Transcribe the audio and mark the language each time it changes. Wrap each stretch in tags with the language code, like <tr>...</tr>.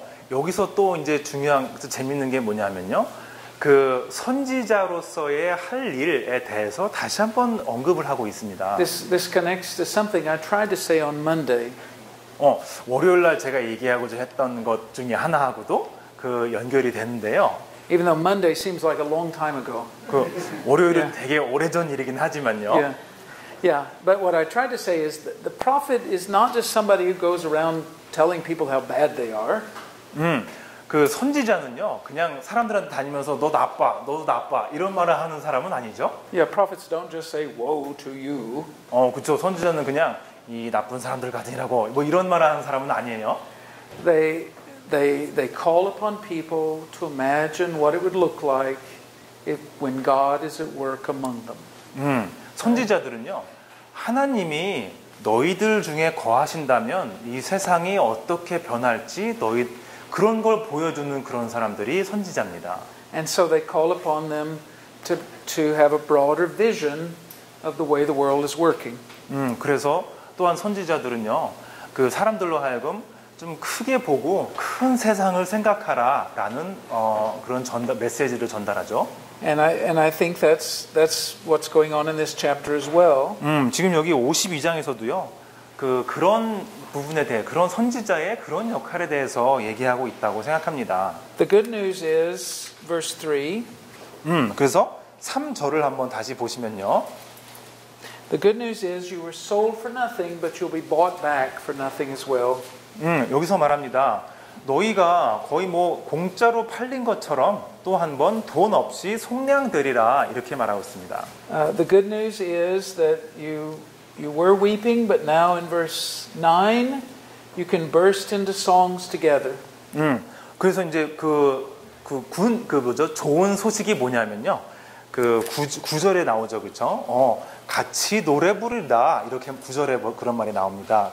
<ko>여기서 또 이제 중요한 재밌는 게 뭐냐면요, 그 선지자로서의 할 일에 대해서 다시 한번 언급을 하고 있습니다.</ko> <en>This connects to something I tried to say on Monday.</en> <ko>월요일 날 제가 얘기하고자 했던 것 중에 하나하고도 그 연결이 되는데요.</ko> <en>Even though Monday seems like a long time ago.</en> <ko>그 월요일은</ko> <en>yeah.</en> <ko>되게 오래전 일이긴 하지만요.</ko> <en>Yeah. Yeah, but what I tried to say is that the prophet is not just somebody who goes around telling people how bad they are.</en> <ko>그 선지자는요, 그냥 사람들한테 다니면서 너 나빠, 너도 나빠 이런 말을 하는 사람은 아니죠.</ko> <en>Yeah, prophets don't just say woe to you.</en> <ko>그렇죠. 선지자는 그냥 이 나쁜 사람들 같으라고 뭐 이런 말을 하는 사람은 아니에요.</ko> <en>They call upon people to imagine what it would look like if when God is at work among them.</en> <ko>선지자들은요, 하나님이 너희들 중에 거하신다면 이 세상이 어떻게 변할지 너희 그런 걸 보여주는 그런 사람들이 선지자입니다.</ko> <en>And so they call upon them to have a broader vision of the way the world is working.</en> <ko>그래서 또한 선지자들은요, 그 사람들로 하여금 좀 크게 보고 큰 세상을 생각하라라는 그런 메시지를 전달하죠.</ko> <en>And I think that's what's going on in this chapter as well.</en> <ko>지금 여기 52장에서도요. 그런 부분에 대해 그런 선지자의 그런 역할에 대해서 얘기하고 있다고 생각합니다.</ko> <en>The good news is verse 3.</en> <ko>그래서 3절을 한번 다시 보시면요.</ko> <en>The good news is you were sold for nothing but you'll be bought back for nothing as well.</en> <ko>여기서 말합니다. 너희가 거의 뭐 공짜로 팔린 것처럼 또 한 번 돈 없이 속량되리라 이렇게 말하고 있습니다.</ko> <en>The good news is that you were weeping, but now in verse 9, you can burst into songs together.</en> <ko>그래서 이제 좋은 소식이 뭐냐면요. 그 9절에 나오죠. 그쵸? 같이 노래 부르다. 이렇게 9절에 그런 말이 나옵니다.</ko>